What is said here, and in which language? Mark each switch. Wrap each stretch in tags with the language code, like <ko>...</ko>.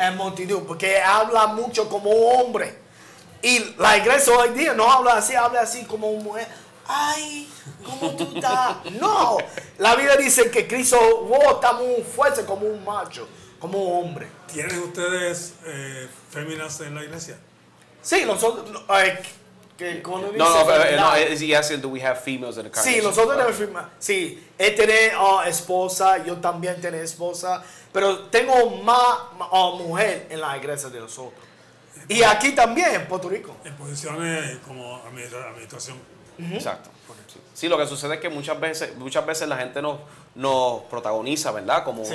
<es>En multitud, porque habla mucho como un hombre. Y la iglesia hoy día no habla así como una mujer. ¡Ay! ¿Cómo tú estás? No. La Biblia dice que Cristo está muy fuerte como un macho, como un hombre. ¿Tienen ustedes féminas en la iglesia? Sí, nosotros, que cuando dice...</es> <en>No, is he asking, do we have females in the congregation?</en> <es>Sí, nosotros tenemos females. Sí, él tiene esposa, yo también tengo esposa, pero tengo más mujer en la iglesia de nosotros. Y aquí también, en Puerto Rico. En posiciones como administración. Uh-huh. Exacto. Sí, lo que sucede es que muchas veces la gente nos protagoniza, ¿verdad? Como sí.</es>